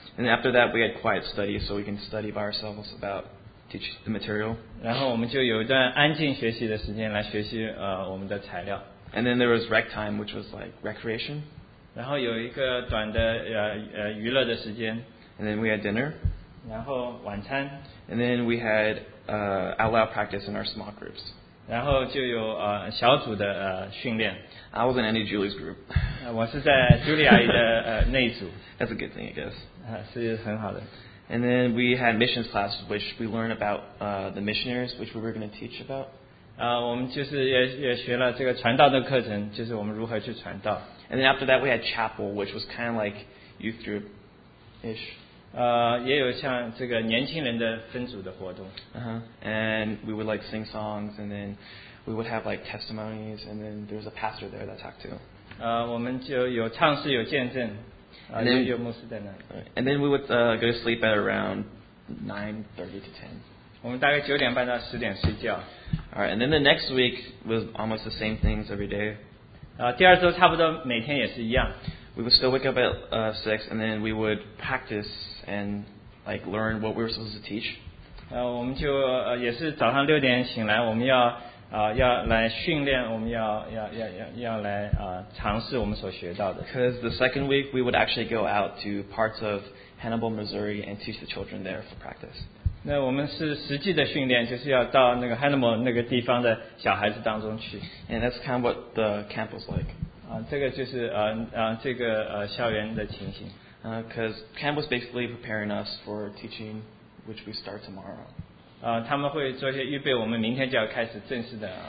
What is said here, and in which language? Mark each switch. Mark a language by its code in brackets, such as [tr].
[en] And after that, we had quiet study, so we can study by ourselves about teach the material. [zh] 然后我们就有一段安静学习的时间来学习我们的材料。 [en] And then there was rec time, which was like recreation. [zh] 然后有一个短的娱乐的时间。 [en] And then we had dinner. [zh] 然后晚餐。 [en] And then we had out loud practice in our small groups. [zh] 然后就有小组的训练。 [en] I was in Andy Julie's group. [zh] 我是在 Julie 阿姨的那一组。 [en] That's a good thing, I guess. [zh] 是很好的。 [en] And then we had missions classes, which we learned about the missionaries, which we were going to teach about. [zh] 我们就是也学了这个传道的课程，就是我们如何去传道。 [en] And then after that, we had chapel, which was kind of like youth group, ish. [zh] 也有像这个年轻人的分组的活动。 [en] And we would like sing songs, and then we would have like testimonies, and then there was a pastor there that talked to. [zh] 我们就有唱诗有见证。 [en] And then, we would go to sleep at around 9:30 to 10. All right, and then the next week was almost the same things every day. We would still wake up at 6, and then we would practice and like learn what we were supposed to teach. [zh] 我们就也是早上六点醒来，我们要要来训练，我们要来尝试我们所学到的。 [en] Because the second week we would actually go out to parts of Hannibal, Missouri, and teach the children there for practice. [zh] 那我们是实际的训练，就是要到那个 Hannibal 那个地方的小孩子当中去。 [en] And that's kind of what the camp was like. [zh] 这个就是这个校园的情形。 [en] Because camp was basically preparing us for teaching, which we start tomorrow. [zh] 他们会做一些预备，我们明天就要开始正式的。